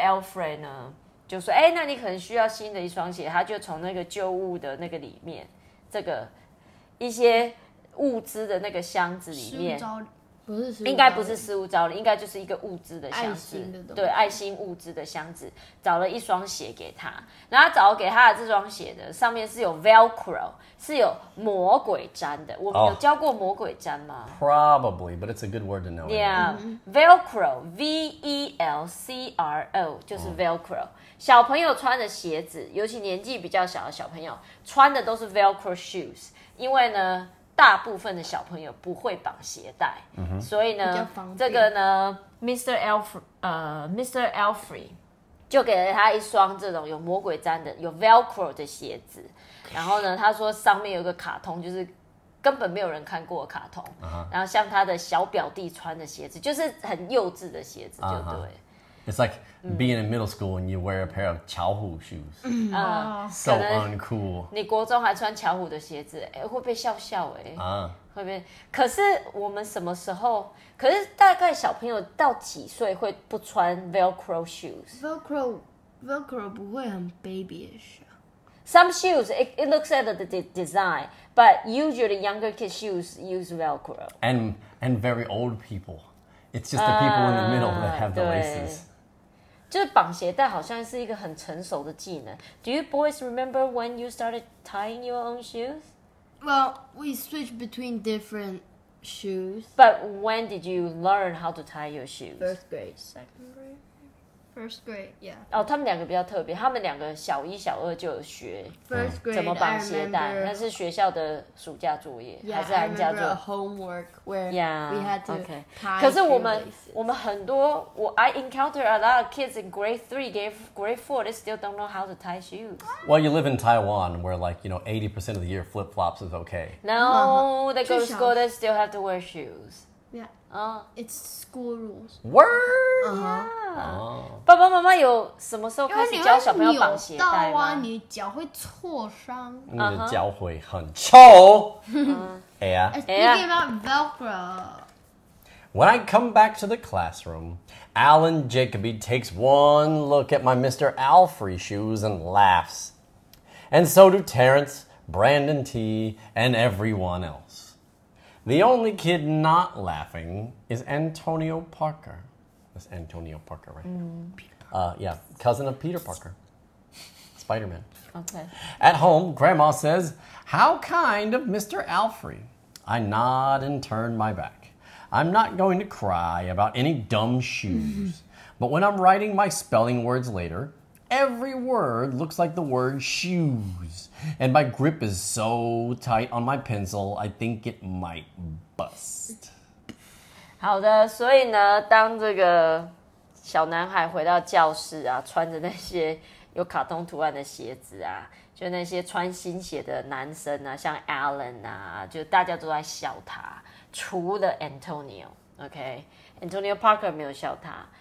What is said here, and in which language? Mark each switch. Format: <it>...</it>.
<zh>Alfred 呢就说哎、欸、那你可能需要新的一双鞋他就从那个旧物的那个里面这个一些物资的那个箱子里面应该不是失物招领，应该就是一个物资的箱子，爱心的东西，对，爱心物资的箱子，找了一双鞋给他，然后找给他的这双鞋的上面是有 Velcro， 是有魔鬼粘的。我有教过魔鬼粘吗？</zh> <en>Probably, but it's a good word to know. Yeah, Velcro, V-E-L-C-R-O, 就是 Velcro.</en> <zh>小朋友穿的鞋子，尤其年纪比较小的小朋友穿的都是 Velcro shoes， 因为呢大部分的小朋友不会绑鞋带、嗯、所以呢这个呢 Mr. Alfrey 就给了他一双这种有魔鬼粘的有 Velcro 的鞋子，然后呢他说上面有个卡通，就是根本没有人看过的卡通、uh-huh. 然后像他的小表弟穿的鞋子就是很幼稚的鞋子就对、uh-huh.</zh> <en>It's like being in middle school and you wear a pair of 巧虎 shoes. So uncool.</en> <zh>你国中还穿巧虎的鞋子、欸、会被笑笑、欸 会被。可是我们什么时候，可是大概小朋友到几岁会不穿</zh> <en>Velcro shoes?</en> <zh>Velcro 不会很 babyish.</zh> <en>Some shoes, it looks at the design, but usually younger kids shoes use Velcro. And very old people. It's just the people in the middle that have the laces.</en> <zh>就是绑鞋带好像是一个很成熟的技能。</zh> <en>Do you boys remember when you started tying your own shoes? Well, we switched between different shoes. But when did you learn how to tie your shoes? First grade, second grade. First grade, yeah.</en> <zh>哦，他们两个比较特别，他们两个小一、小二就有学</zh> <en>first grade,</en> <zh>怎么绑鞋带。</zh> <en>Remember,</en> <zh>那是学校的暑假作业，</zh> <en>yeah,</en> <zh>还是寒假作业</zh> <en>？Homework where yeah, we had to、okay. tie.</en> <zh>可是我们。我们很多我</zh> <en>I encounter a lot of kids in grade 3, grade 4, they still don't know how to tie shoes. Well, you live in Taiwan where like, you know, 80% of the year flip-flops is okay. No, they go to school, they still have to wear shoes. Yeah,it's school rules. Word?</en> <zh>Yeah. 爸爸妈妈有什么时候开始教小朋友绑鞋带吗？因为你扭到啊，你脚会挫伤。你的脚会很臭。哎呀。</zh> <en>Speaking about Velcro. When I come back to the classroom, Alan Jacoby takes one look at my Mr. Alfrey shoes and laughs. And so do Terrence, Brandon T, and everyone else. The only kid not laughing is Antonio Parker. That's Antonio Parker, right? Yeah, cousin of Peter Parker. Spider-Man. Okay. At home, Grandma says, How kind of Mr. Alfrey. I nod and turn my back. I'm not going to cry about any dumb shoes, but when I'm writing my spelling words later, every word looks like the word shoes, and my grip is so tight on my pencil, I think it might bust.</en> <zh>好的，所以呢，当这个小男孩回到教室啊，穿着那些有卡通图案的鞋子啊，就那些穿新鞋的男生啊，像 Alan 啊，就大家都在笑他。除了 Antonio, OK? Antonio Parker 没有笑他。</zh>